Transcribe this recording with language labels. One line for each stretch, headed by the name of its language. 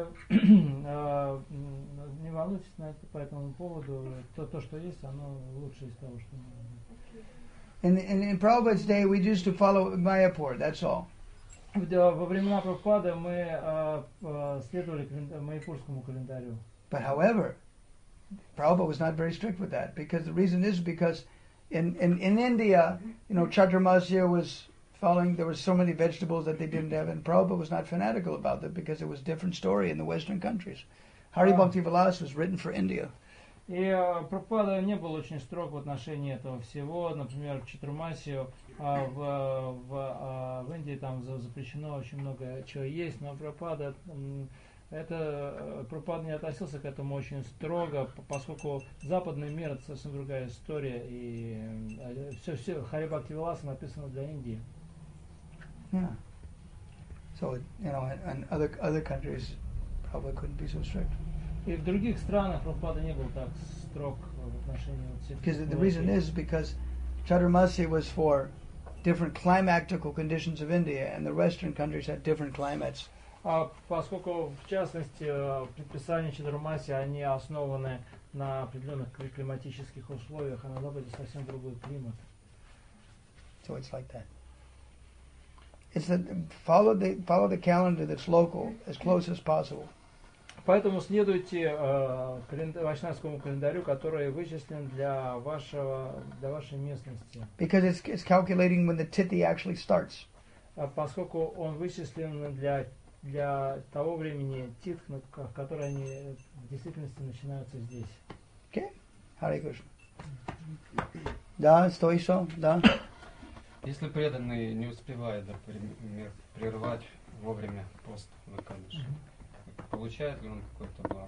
Russian: Не волнуйтесь на это по этому поводу. То, что есть, оно лучше из того, что.
English: In Prabhupada's day, we used to follow Mayapur. That's all.
Russian: Во времена Прабхупады мы следовали майяпурскому календарю.
English: But however, Prabhupada was not very strict with that because the reason is because. In India, you know, Chaturmasya was following, there were so many vegetables that they didn't have, and Prabhupada was not fanatical about that because it was a different story in the Western countries. Hari Bhakti Vilas was written for India.
Russian: И Прабхупада не был очень строг в отношении этого всего. Например, в Чатурмасию в Индии там запрещено очень много чего есть, но Прабхупада не относился к этому очень строго, поскольку западный мир – это совсем другая история, и все Хари Бхакти Виласа написано для Индии.
English: Yeah. So, you know, and other countries probably couldn't be so strict.
Russian: И в других странах Прабхупада не был так строг в отношении всех.
English: Because the reason is because Chaturmasi was for different climatical conditions of India, and the Western countries had different climates.
Russian: Поскольку, в частности, предписания Чатурмаси, они основаны на определенных климатических условиях, а на Западе совсем другой климат.
English: So it's like that. It's that follow the calendar that's local as close as possible.
Russian: Поэтому следуйте вайшнавскому календарю, который вычислен для вашей местности.
English: Because it's calculating when the tithi actually starts.
Russian: Поскольку он вычислен для того времени титх, в которой они в действительности начинаются здесь. Okay. Hare Krishna. Да, стой еще, да. Если преданный не успевает, например, прервать вовремя пост в Экадыше, получает ли он какой-то благ?